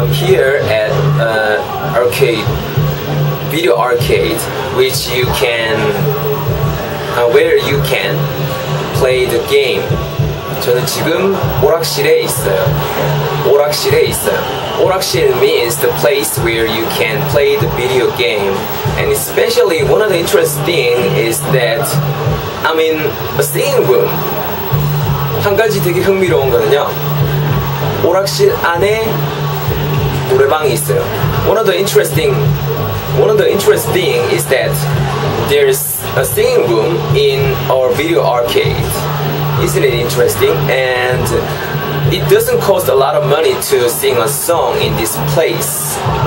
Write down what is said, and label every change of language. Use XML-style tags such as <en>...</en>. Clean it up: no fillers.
<en>I'm here at arcade, video arcade, which you can, where you can play the game.</en> <ko>저는 지금 오락실에 있어요. 오락실에 있어요.</ko> <en>오락실 means the place where you can play the video game. And especially one of the interesting things is that I'm in a sitting room.</en> <ko>한 가지 되게 흥미로운 거는요, 오락실 안에 노래방이 있어요.</ko> <en>One of the interesting is that there's a singing room in our video arcade. Isn't it interesting? And it doesn't cost a lot of money to sing a song in this place.</en>